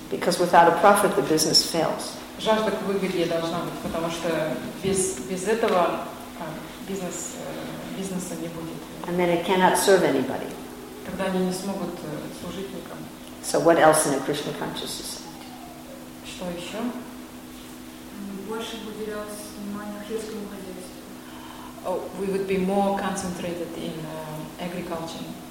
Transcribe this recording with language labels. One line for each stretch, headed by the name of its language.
English: Because without a profit, the business fails.
Russian: Жажда к выгоде должна быть, потому что без этого бизнеса не будет.
English: And then it cannot serve anybody.
Russian: Тогда они не смогут служить никому.
English: So what else in a Krishna conscious society?
Russian: Что еще? Больше бы уделялось внимание сельскому хозяйству.
English: Oh, we would be more concentrated in agriculture.